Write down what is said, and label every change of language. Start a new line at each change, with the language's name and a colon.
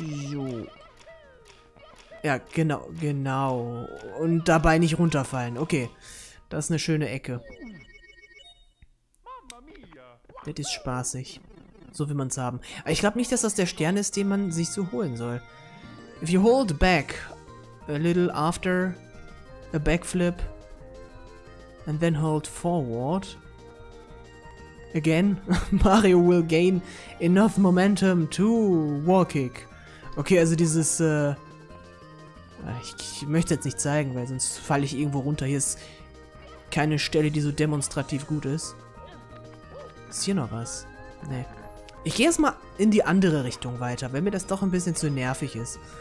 German: So. Ja, genau. Und dabei nicht runterfallen. Okay. Das ist eine schöne Ecke. Das ist spaßig. So will man es haben. Aber ich glaube nicht, dass das der Stern ist, den man sich so holen soll.
English: If you hold back a little after a backflip and then hold forward again, Mario will gain enough momentum to wall kick.
German: Okay, also dieses, ich möchte jetzt nicht zeigen, weil sonst falle ich irgendwo runter. Hier ist keine Stelle, die so demonstrativ gut ist. Ist hier noch was? Nee. Ich gehe erstmal in die andere Richtung weiter, weil mir das doch ein bisschen zu nervig ist.